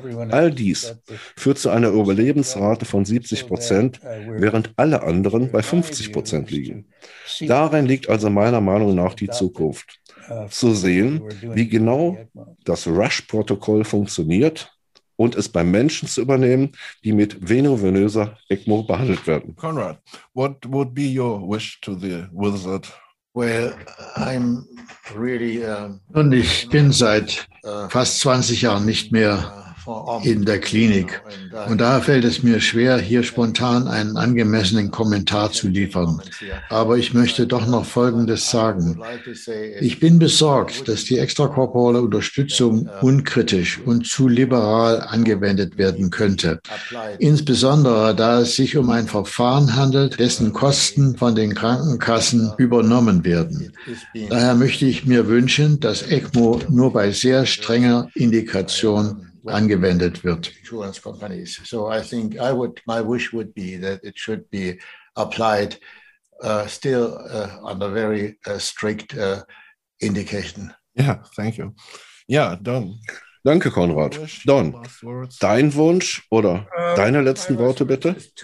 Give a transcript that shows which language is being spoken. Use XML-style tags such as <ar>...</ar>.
<de>All dies führt zu einer Überlebensrate von 70%, während alle anderen bei 50% liegen. Darin liegt also meiner Meinung nach die Zukunft. Zu sehen, wie genau das Rush-Protokoll funktioniert und es beim Menschen zu übernehmen, die mit venovenöser ECMO behandelt werden.</de> <en>Conrad, what would be your wish to the wizard? Well, I'm really.</en> <de>Und ich bin seit fast 20 Jahren nicht mehr in der Klinik. Und daher fällt es mir schwer, hier spontan einen angemessenen Kommentar zu liefern. Aber ich möchte doch noch Folgendes sagen. Ich bin besorgt, dass die extrakorporale Unterstützung unkritisch und zu liberal angewendet werden könnte. Insbesondere, da es sich um ein Verfahren handelt, dessen Kosten von den Krankenkassen übernommen werden. Daher möchte ich mir wünschen, dass ECMO nur bei sehr strenger Indikation angewendet wird.</de> <en>Insurance companies. So I think I would, my wish would be that it should be applied still under very strict indication. Yeah, thank you. Yeah, Don.</en> <de>Danke, Konrad. Don, dein Wunsch oder deine letzten Worte, bitte?</de>